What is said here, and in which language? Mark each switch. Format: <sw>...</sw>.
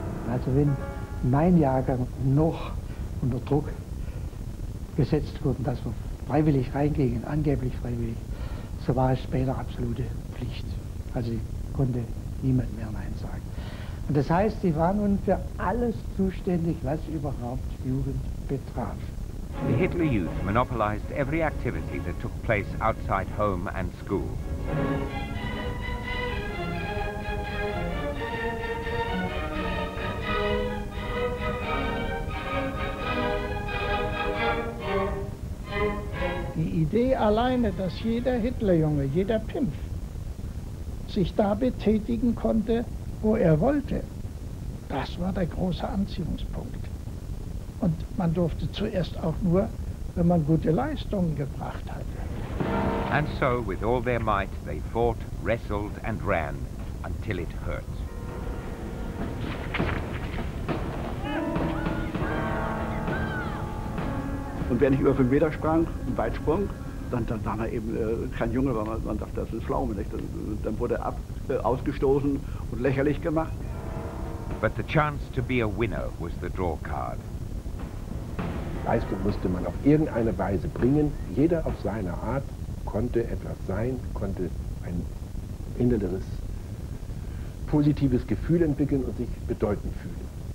<de>Also wenn mein Jahrgang noch unter Druck gesetzt wurde, dass wir freiwillig reingingen, angeblich freiwillig, so war es später absolute Pflicht. Also konnte niemand mehr Nein sagen. Und das heißt, sie waren nun für alles zuständig, was überhaupt Jugend betraf.</de> <en>The Hitler Youth monopolized every activity that took place outside home and school.</en> <de>Die Idee alleine, dass jeder Hitlerjunge, jeder Pimpf, sich da betätigen konnte, wo er wollte, das war der große Anziehungspunkt. Und man durfte zuerst auch nur, wenn man gute Leistungen gebracht hatte.</de> <en>And so, with all their might, they fought, wrestled and ran, until it hurt.</en> <de>Und wenn ich über 5 Meter sprang, einen Weitsprung, dann war man eben kein Junge, weil man dachte, das ist ein Pflaume. Dann wurde er ausgestoßen und lächerlich gemacht.</de> <en>But the chance to be a winner was the draw card.</en> <de>Leistung musste man auf irgendeine Weise bringen. Jeder auf seine Art konnte etwas sein, konnte ein inneres positives Gefühl entwickeln und sich bedeutend fühlen.</de>